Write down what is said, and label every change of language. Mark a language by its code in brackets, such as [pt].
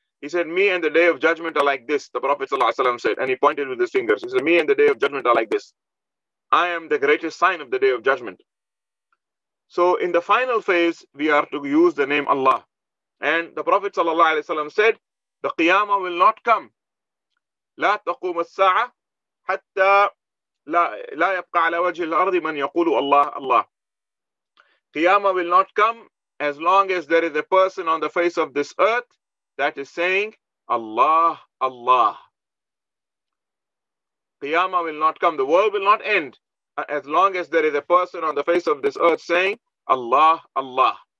[en] He said, me and the day of judgment are like this, the Prophet sallallahu alayhi wa sallam said. And he pointed with his fingers. He said, me and the day of judgment are like this. I am the greatest sign of the day of judgment. So in the final phase, we are to use the name Allah. And the Prophet sallallahu alaihi wasallam said, the Qiyamah will not come. [ar] لا تقوم الساعة حتى لا يبقى على وجه الأرض من يقول الله الله. [en] Qiyamah will not come as long as there is a person on the face of this earth that is saying Allah Allah. Qiyamah will not come. The world will not end as long as there is a person on the face of this earth saying Allah Allah.